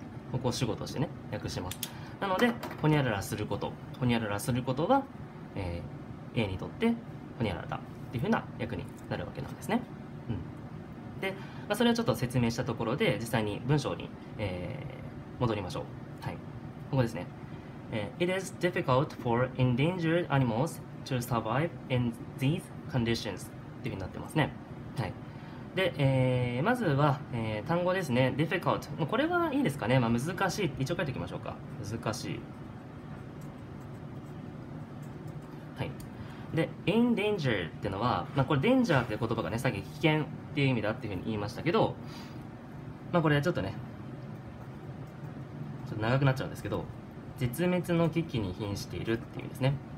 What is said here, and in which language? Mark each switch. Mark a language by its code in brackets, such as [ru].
[ja] ここを主語としてね訳します。なのでホニャララすること、ホニャララすることは、A にとってホニャララだっていう風な訳になるわけなんですね、うん、で、まあ、それをちょっと説明したところで実際に文章に、戻りましょう。はい、ここですね、 [en] It is difficult for endangered animals to survive in these conditions [ja] っていう風になってますね。はい、で、まずは、単語ですね。 [en] difficult。 [ja] これはいいですかね。まあ、難しい。一応書いておきましょうか。難しい。はい。で、in danger っていうのは、まあ、これ danger っていう言葉がね、さっき危険っていう意味だっていうふうに言いましたけど、まあ、これはちょっとね、ちょっと長くなっちゃうんですけど、絶滅の危機に瀕しているっていう意味ですね。